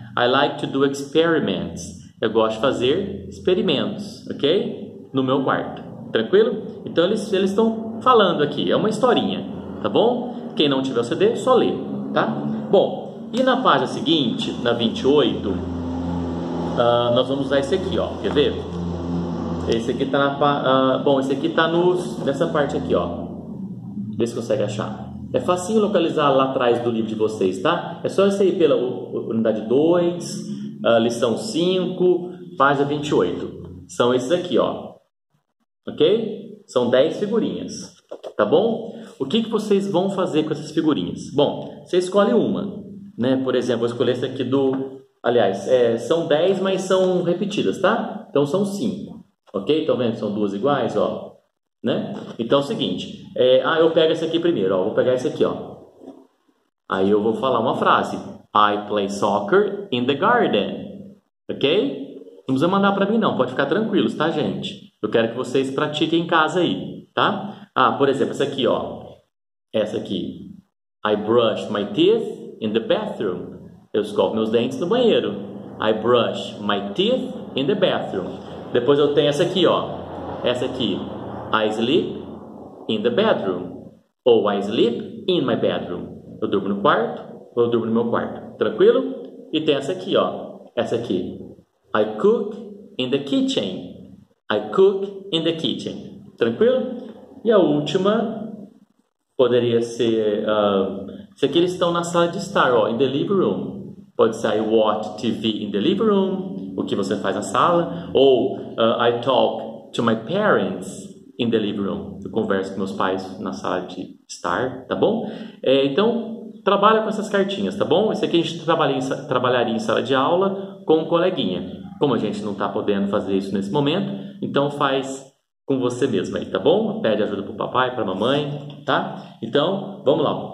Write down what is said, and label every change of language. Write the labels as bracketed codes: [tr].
[en] I like to do experiments. [pt] Eu gosto de fazer experimentos, ok? No meu quarto. Tranquilo? Então eles estão falando aqui. É uma historinha, tá bom? Quem não tiver o CD, só lê, tá? Bom, e na página seguinte, na 28, nós vamos usar esse aqui, ó. Quer ver? Esse aqui tá na. Bom, esse aqui tá nessa parte aqui, ó. Vê se consegue achar. É facinho localizar lá atrás do livro de vocês, tá? É só você ir pela unidade 2, lição 5, página 28. São esses aqui, ó. Ok? São 10 figurinhas. Tá bom? O que que vocês vão fazer com essas figurinhas? Bom, você escolhe uma, né? Por exemplo, eu escolhi essa aqui do. Aliás, são 10, mas são repetidas, tá? Então são 5. Ok? Estão vendo? São duas iguais, ó. Né? Então é o seguinte. Eu pego essa aqui primeiro, ó. Vou pegar essa aqui, ó. Aí eu vou falar uma frase. [en] I play soccer in the garden. Ok? [pt] Não precisa mandar para mim, não. Pode ficar tranquilo, tá, gente? Eu quero que vocês pratiquem em casa aí, tá? Ah, por exemplo, essa aqui, ó. Essa aqui. [en] I brush my teeth in the bathroom. [pt] Eu escovo meus dentes no banheiro. [en] I brush my teeth in the bathroom. [pt] Depois eu tenho essa aqui, ó. essa aqui. [en] I sleep in the bedroom. Ou I sleep in my bedroom. [pt] Eu durmo no quarto ou eu durmo no meu quarto. Tranquilo? E tem essa aqui, ó. Essa aqui. [en] I cook in the kitchen. I cook in the kitchen. [pt] Tranquilo? E a última poderia ser... Se aqui eles estão na sala de estar, ó. [en] In the living room. [pt] Pode ser [en] I watch TV in the living room. [pt] O que você faz na sala. Ou [en] I talk to my parents in the living room. [pt] Eu converso com meus pais na sala de estar, tá bom? É, então, trabalha com essas cartinhas, tá bom? Isso aqui a gente trabalharia em sala de aula com um coleguinha. Como a gente não está podendo fazer isso nesse momento, então faz com você mesmo aí, tá bom? Pede ajuda pro papai, pra mamãe, tá? Então, vamos lá.